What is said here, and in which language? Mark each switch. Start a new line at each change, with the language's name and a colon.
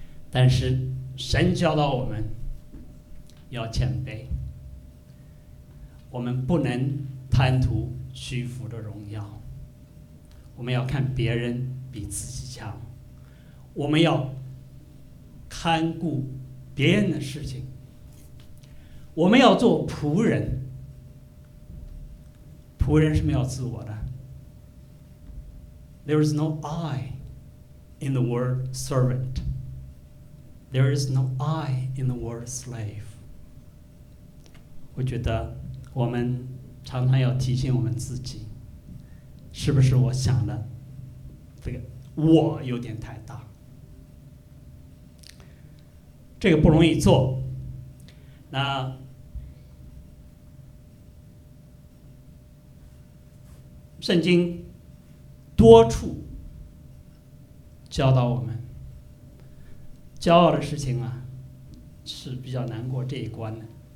Chinese: 但是神教导我们要谦卑，我们不能贪图虚浮的荣耀，我们要看别人比自己强，我们要看顾别人的事情，我们要做仆人。仆人是没有自我的。
English: There is no I in the word servant. There is no I in the word slave.
Chinese: 我觉得我们常常要提醒我们自己，是不是我想的这个我有点太大，这个不容易做。那圣经多处教导我们骄傲的事情啊，是比较难过这一关的。